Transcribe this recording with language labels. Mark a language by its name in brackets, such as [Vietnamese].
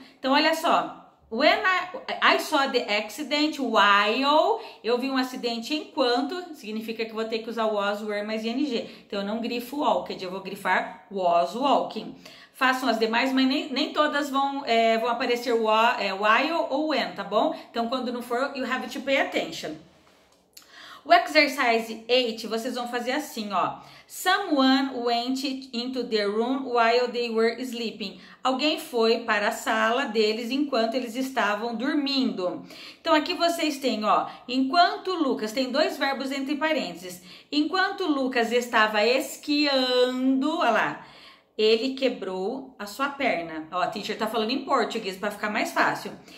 [Portuguese] Então, olha só. [English] When I saw the accident, while, [Portuguese] eu vi um acidente enquanto, significa que vou ter que usar was, were mais ing. Então eu não grifo walked, eu vou grifar was walking. Façam as demais, mas nem todas vão aparecer while ou when, tá bom? Então quando não for, [English] you have to pay attention. [Portuguese] O exercise 8, vocês vão fazer assim, ó. [English] Someone went into the room while they were sleeping. [Portuguese] Alguém foi para a sala deles enquanto eles estavam dormindo. Então, aqui vocês têm, ó. Enquanto Lucas, tem dois verbos entre parênteses. Enquanto Lucas estava esquiando, olha lá. Ele quebrou a sua perna. Ó, a teacher tá falando em português para ficar mais fácil.